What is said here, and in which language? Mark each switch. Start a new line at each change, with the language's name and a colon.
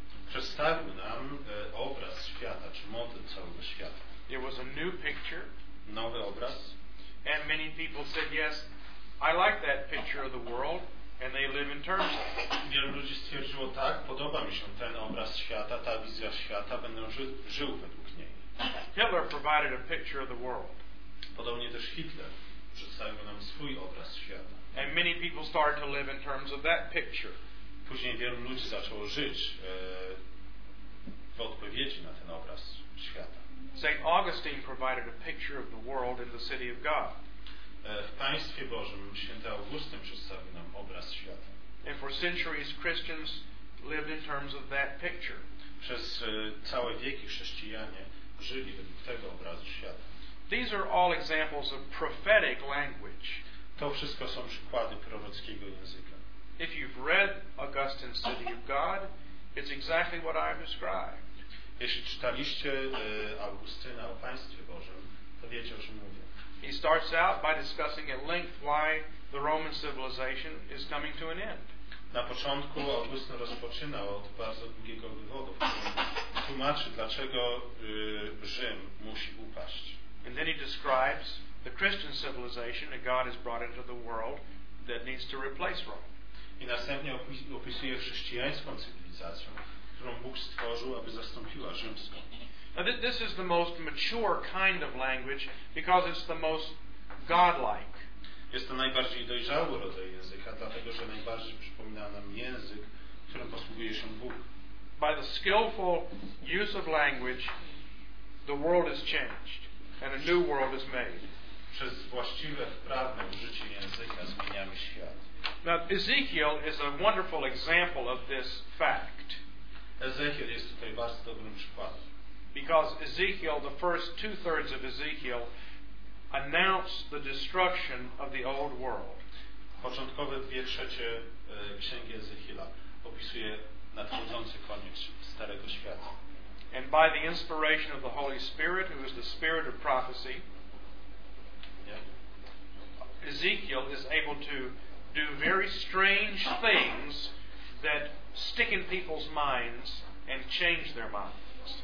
Polish: Przedstawił nam obraz świata, czy model całego świata.
English: It was a new picture.
Polish: Nowy obraz.
English: And many people said, yes, I like that picture of the world, and they live in terms of it.
Polish: Wielu ludzi stwierdziło, tak, podoba mi się ten obraz świata, ta wizja świata, będę żył według niej.
English: Hitler provided a picture of the world.
Polish: Podobnie też Hitler przedstawił nam swój obraz świata.
English: And many people started to live in terms of that picture.
Polish: Później wielu ludzi zaczęło żyć w odpowiedzi na ten obraz świata.
English: St. Augustine provided a picture of the world in the city of God.
Polish: W Państwie Bożym Święty Augustyn przedstawił nam obraz świata.
English: And for centuries Christians lived in terms of that picture.
Polish: Przez całe wieki chrześcijanie żyli według tego obrazu świata.
English: These are all examples of prophetic language.
Polish: To wszystko są przykłady prorockiego języka.
English: If you've read Augustine's City of God, it's exactly what I've described.
Polish: Jeśli czytaliście Augustyna o Państwie Bożym, to wiecie, o czym mówię.
English: He starts out by discussing at length why the Roman civilization is coming to an end.
Polish: Na początku Augustyn rozpoczyna od bardzo długiego wywodu, który tłumaczy, dlaczego Rzym musi upaść.
English: And then he describes the Christian civilization that God has brought into the world that needs to replace Rome.
Polish: I następnie opisuje chrześcijańską cywilizację, którą Bóg stworzył, aby zastąpiła rzymską.
English: Now this is the most mature kind of language because it's the most godlike.
Polish: Jest to najbardziej dojrzały rodzaj języka, dlatego że najbardziej przypomina nam język, którym posługuje się Bóg.
English: By the skillful use of language, the world is changed and a new world is made.
Polish: Przez właściwe, wprawne użycie języka zmieniamy świat.
English: Now Ezekiel is a wonderful example of this fact.
Polish: Ezekiel jest tutaj bardzo dobrym przykładem.
English: Because Ezekiel, the first two-thirds of Ezekiel, announce the destruction of the old world.
Polish: Początkowe dwie trzecie księgi Ezechiela opisuje nadchodzący koniec starego świata.
English: And by the inspiration of the Holy Spirit, who is the spirit of prophecy, Ezekiel is able to do very strange things that stick in people's minds and change their minds.